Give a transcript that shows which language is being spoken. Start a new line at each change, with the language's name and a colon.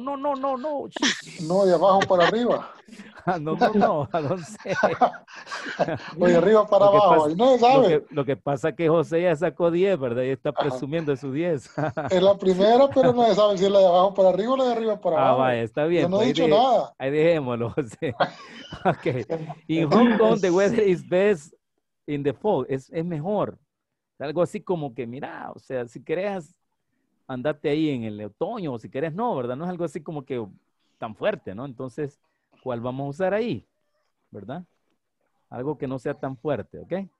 Spanish: No, de abajo para arriba. No sé. O de arriba para lo abajo. Pasa, no se sabe. Lo que pasa es que José ya sacó 10, ¿verdad? Y está presumiendo de su 10. Es la primera, pero no se sabe si es la de abajo para arriba o la de arriba para abajo. Ah, vaya, está bien. Yo no he dicho nada. Ahí dejémoslo, José. Ok.
English: In Hong Kong, the weather is best in the fall.
Spanish: Es mejor. Algo así como que, mira, o sea, si querés, andate ahí en el otoño, o si querés, no, ¿verdad? No es algo así como que tan fuerte, ¿no? Entonces, ¿cuál vamos a usar ahí? ¿Verdad? Algo que no sea tan fuerte, ¿ok?